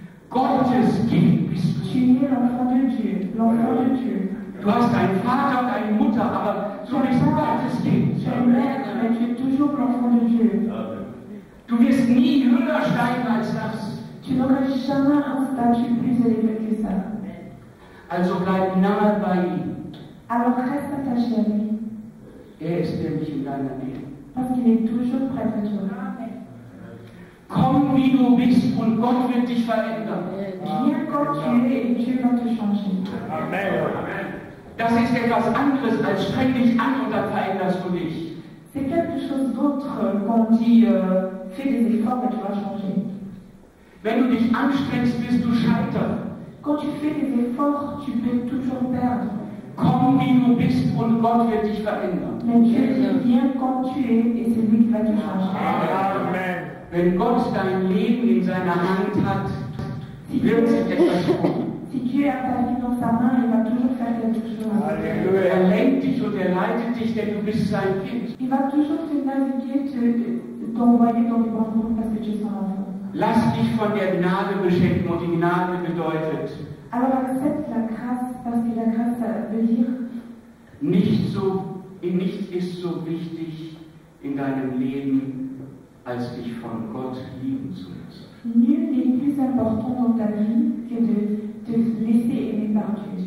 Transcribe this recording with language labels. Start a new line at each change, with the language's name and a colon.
French: Tu es l'enfant de Dieu, l'enfant de Dieu.
German: Du hast einen Vater und eine Mutter, aber so bist du Gottes Kind.
French: Tu es une mère, mais tu es toujours l'enfant de Dieu.
German: Du wirst nie höher steigen als das.
French: Tu n'auras jamais un statut plus élevé que ça.
German: Also bleib nahe bei ihm.
French: Alors reste attaché à lui.
German: Er ist nämlich in deiner Nähe.
French: Parce qu'il est toujours près de toi.
German: Komm, wie du bist, und Gott wird dich verändern.
French: Viens comme tu es, et Dieu va te changer. Amen.
German: Das ist etwas anderes, als streng dich an und dann veränderst du dich.
French: C'est quelque chose d'autre, quand tu fais des efforts, et tu vas changer.
German: Wenn du dich anstrengst, wirst du scheitern.
French: Quand tu fais des efforts, tu peux toujours perdre.
German: Komm, wie du bist, und Gott wird dich verändern.
French: Mais Dieu dit, viens comme tu es, et c'est lui qui va te changer. Amen.
German: Wenn Gott dein Leben in seiner Hand hat, wird sich etwas tun.
French: Si Dieu a ta vie dans sa main, il va toujours faire quelque chose.
German: Er lenkt dich und er leitet dich, denn du bist sein Kind.
French: Il va toujours te naviguer, t'envoyer dans les bons mondes, parce que tu es son enfant.
German: Lass dich von der Gnade beschenken und die Gnade bedeutet. Aber accept la grâce, was die la grâce will hier. Nichts ist so wichtig in deinem Leben, als dich von Gott lieben zu lassen.
French: Nul n'est plus important dans ta vie que de te laisser aimer par Dieu.